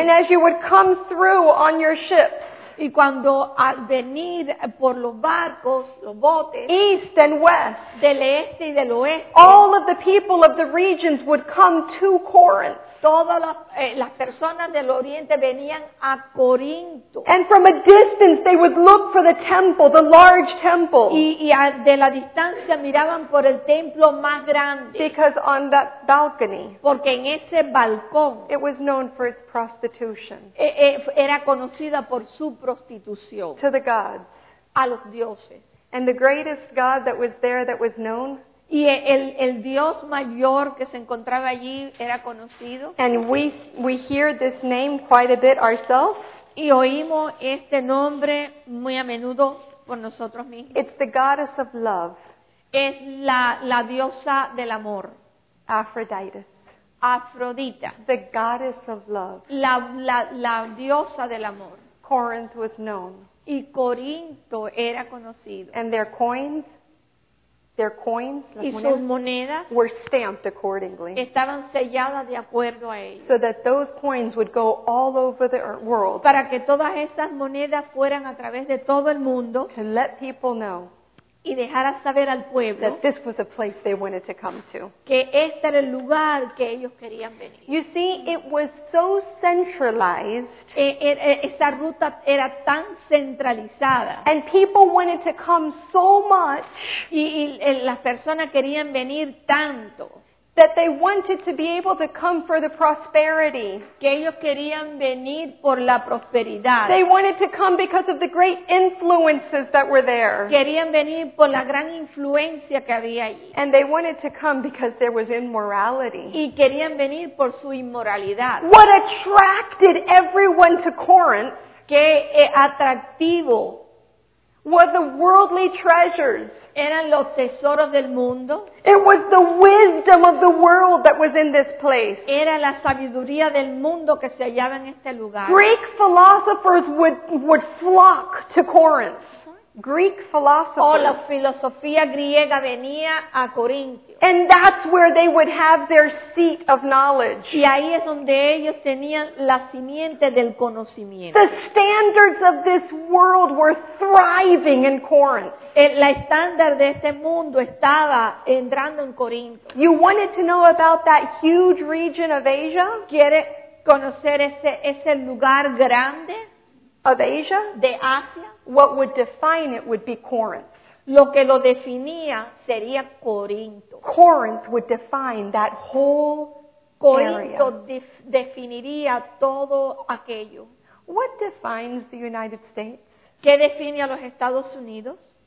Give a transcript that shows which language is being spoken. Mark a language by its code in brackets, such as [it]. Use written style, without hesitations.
[en] And as you would come through on your ship. [es] Y cuando al venir por los barcos, los botes, [en] east and west, [es] del este y del oeste, [en] all of the people of the regions would come to Corinth. [es] Todas las personas del oriente venían a Corinto. [en] And from a distance they would look for the temple, the large temple. [es] Y de la distancia miraban por el templo más grande. [en] Because on that balcony, [es] porque en ese balcón, [en] it was known for its prostitution. [es] Era conocida por su prostitución. [en] To the gods. [es] A los dioses. [en] And the greatest god that was there that was known, [es] y el Dios mayor que se encontraba allí era conocido. [en] And we hear this name quite a bit ourselves. [es] Y oímos este nombre muy a menudo por nosotros mismos. [en] It's the goddess of love. [es] Es la diosa del amor. [en] Aphrodite. [es] Afrodita. [en] The goddess of love. [es] La diosa del amor. [en] Corinth was known. [es] Y Corinto era conocido. [en] And their coins. Their coins, [es] y sus monedas, [en] were stamped accordingly. [es] Estaban selladas de acuerdo a ellos. [en] So that those coins would go all over the world. [es] Para que todas esas monedas fueran a través de todo el mundo. [en] To let people know. [es] Y dejar a saber al pueblo. [en] That this was a place they wanted to come to. [es] Que este era el lugar que ellos querían venir. [en] You see, it was so centralized. [es] Esa ruta era tan centralizada. [en] And people wanted to come so much. [es] Y las personas querían venir tanto. [en] That they wanted to be able to come for the prosperity. [es] Que ellos querían venir por la prosperidad. [en] They wanted to come because of the great influences that were there. [es] Querían venir por la gran influencia que había allí. [en] And they wanted to come because there was immorality. [es] Y querían venir por su inmoralidad. [en] What attracted everyone to Corinth? [es] Qué atractivo. [en] Were the worldly treasures. [es] Eran los tesoros del mundo. [en] It was the wisdom of the world that was in this place. [es] Era la sabiduría del mundo que se hallaba en este lugar. [en] Greek philosophers would flock to Corinth. Greek philosophers. [es] La filosofía griega venía a Corinto. [en] And that's where they would have their seat of knowledge. [es] Y ahí es donde ellos tenían la simiente del conocimiento. [en] The standards of this world were thriving in Corinth. [es] La estándar de este mundo estaba entrando en Corinto. [en] You wanted to know about that huge region of Asia? [es] ¿Quiere conocer ese lugar grande? [en] Of Asia? [es] De Asia. [en] What would define it would be Corinth. [es] Lo que lo definía sería Corinto. [en] Corinth would define that whole [es] Corinto [en] area. [es] Definiría todo aquello. [en] What defines the United States? [es] ¿Qué define a los Estados Unidos?